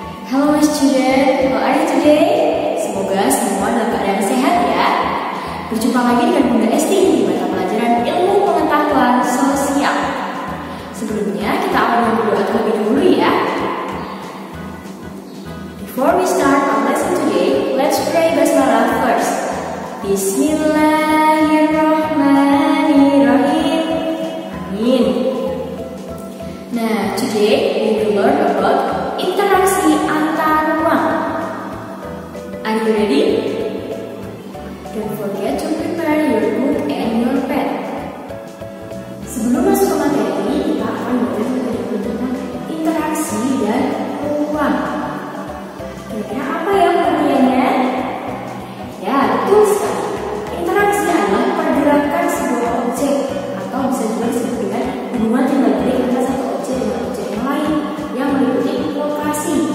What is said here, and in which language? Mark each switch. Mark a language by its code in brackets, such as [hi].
[en] Hello student, how are you today? [id] Semoga semua dalam keadaan sehat ya. Berjumpa lagi dengan Bunda Esti di mata pelajaran ilmu pengetahuan sosial. Sebelumnya kita akan berdoa terlebih dulu ya. [en] Before we start our lesson today, let's pray basmalah first. [ar] Bismillahirrahmanirrahim. Amin. [en] Nah, today we will learn about [id] interaksi antar ruang. [en] Are you ready? Don't forget to prepare your book and your pen. [id] Sebelum masuk ke materi, kita akan belajar tentang interaksi dan ruang. Kira-kira apa ya pengertiannya? Ya, itu sekali. Interaksi adalah pergerakan sebuah objek atau bisa juga disebut dengan hubungan yang berbeda antara satu objek dengan objek yang lain yang meliputi lokasi.